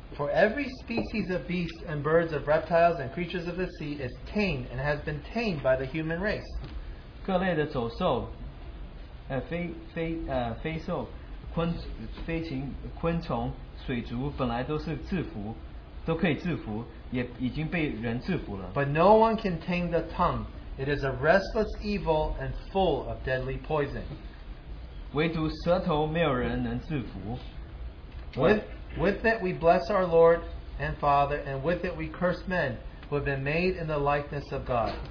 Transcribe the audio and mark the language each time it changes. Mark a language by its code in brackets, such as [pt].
[en] For every species of beasts and birds of reptiles and creatures of the sea is tamed and has been tamed by the human race. [zh] 各类的走兽，飞兽，飞禽，昆虫。水族本来都是制服，都可以制服，也已经被人制服了。 [en] But no one can tame the tongue. It is a restless evil and full of deadly poison. [zh] 唯独舌头没有人能制服。 [en] With it we bless our Lord and Father, and with it we curse men who have been made in the likeness of God.